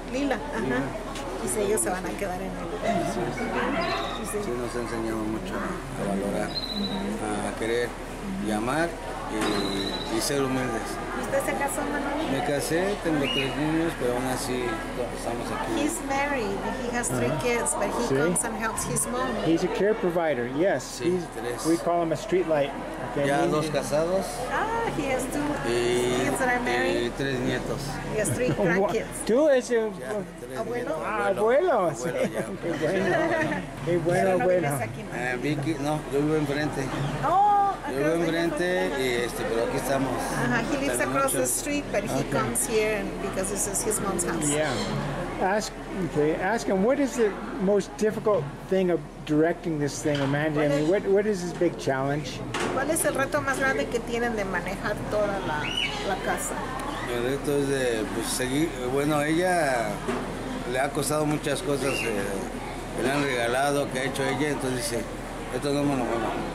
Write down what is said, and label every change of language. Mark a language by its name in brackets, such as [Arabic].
[Spanish] Lila, ajá. Lila. Y si ellos se van a quedar en el... Sí, sí. Sí, nos ha enseñado mucho a valorar, a querer. Llamar y ser humildes. ¿Y usted se casó, Manuel? Me casé, tengo tres niños, pero aún así estamos aquí. [English] He's married, he has three kids, but he comes and helps his mom. He's a care provider, yes. [Spanish] Sí, [English] he's, [Spanish] tres. [English] We call him a street light. [Spanish] Okay. Ya dos casados. [English] Ah, he has two kids that are married. [Spanish] Y tres nietos. [English] He has three grandkids. [Spanish] Tú es un abuelo. Ah, abuelo. Sí. Abuelo, ya. Qué bueno. Qué bueno, abuelo. Vicky, no, yo vivo enfrente. Yo vivo enfrente, pero aquí estamos. [English] Ajá, he lives across the street, but he comes here because this is his mom's house. Yeah. Ask him, what is the most difficult thing of directing this thing, Amanda? I mean, what is his big challenge? [Spanish] ¿Cuál es el reto más grande que tienen de manejar toda la casa? El reto es de seguir. Bueno, ella le ha costado muchas cosas que le han regalado, que ha hecho ella, entonces dice, esto no me lo muevo.